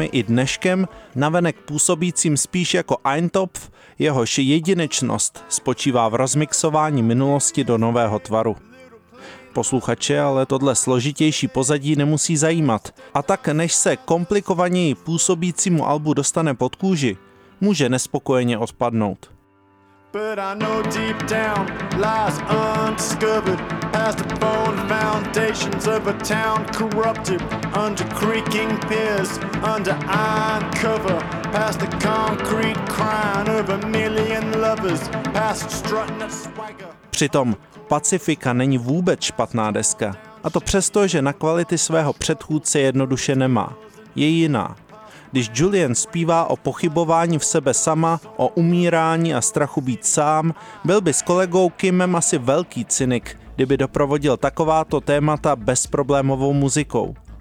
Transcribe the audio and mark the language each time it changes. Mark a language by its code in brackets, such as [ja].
[cs] i dneškem, navenek působícím spíš jako Eintopf, jehož jedinečnost spočívá v rozmixování minulosti do nového tvaru. Posluchače ale tohle složitější pozadí nemusí zajímat, a tak než se komplikovaněji působícímu albu dostane pod kůži, může nespokojeně odpadnout. [en] But I know deep down lies undiscovered, past the bone foundations of a town corrupted, under creaking piers, under iron cover, past the concrete crown of a million lovers, past strutting a swagger. [cs] Přitom Pacifica není vůbec špatná deska, a to přesto, že na kvality svého předchůdce jednoduše nemá. Je jiná. Když Julian zpívá o pochybování v sebe sama, o umírání a strachu být sám, byl by s kolegou Kimem asi velký cynik, kdyby doprovodil takováto témata bezproblémovou muzikou.